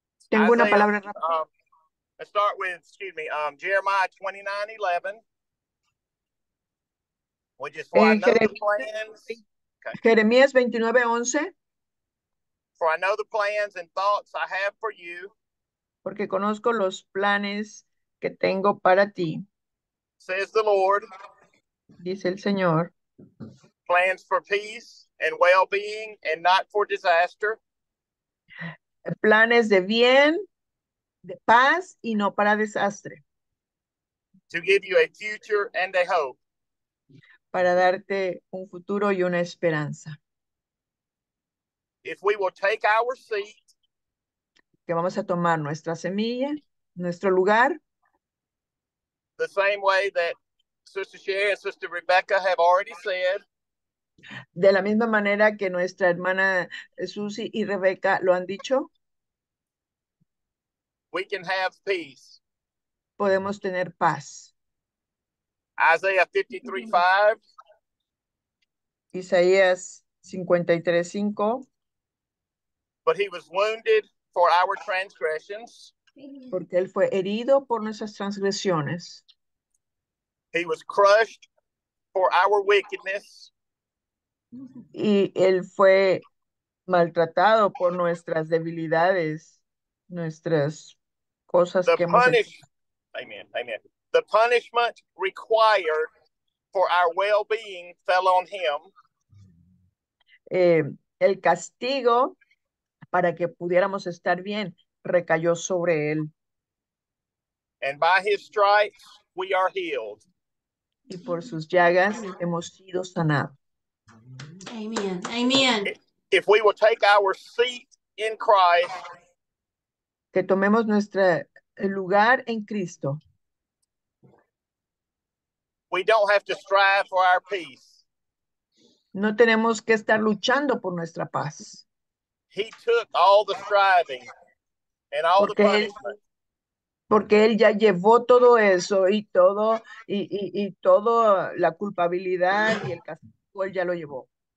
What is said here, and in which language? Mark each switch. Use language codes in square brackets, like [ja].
[es] Tengo una palabra. [en] Let's start with, Jeremiah 29:11. Would you say [es] Jeremías 29:11. [en] For I know the plans and thoughts I have for you. [es] Porque conozco los planes que tengo para ti. [en] Says the Lord. [es] Dice el Señor. [en] Plans for peace and well-being and not for disaster. [es] Planes de bien, de paz y no para desastre. [en] To give you a future and a hope. [es] Para darte un futuro y una esperanza. [en] If we will take our seat. [es] Que vamos a tomar nuestra semilla, nuestro lugar. [en] The same way that Sister Sherry and Sister Rebecca have already said. [es] De la misma manera que nuestra hermana Susie y Rebecca lo han dicho. [en] We can have peace. [es] Podemos tener paz. [en] Isaiah 53:5. [es] Isaías 53:5. [en] But he was wounded for our transgressions. [es] Porque él fue herido por nuestras transgresiones. [en] He was crushed for our wickedness. [es] Y él fue maltratado por nuestras debilidades, nuestras cosas [en] the [es] que [en] punish- [es] hemos hecho. Amen, amen. [en] The punishment required for our well-being fell on him. [es] El castigo para que pudiéramos estar bien recayó sobre él. [en] And by his stripes we are healed. [es] Y por sus llagas hemos sido sanados. [en] Amen. Amen. If we will take our seat in Christ, [es] que tomemos nuestro lugar en Cristo, [en] we don't have to strive for our peace. [es] No tenemos que estar luchando por nuestra paz. [en] He took all the striving and all [es] porque [en] the punishment. [es] Porque él ya llevó todo eso y todo y todo la culpabilidad y el castigo, él ya lo llevó.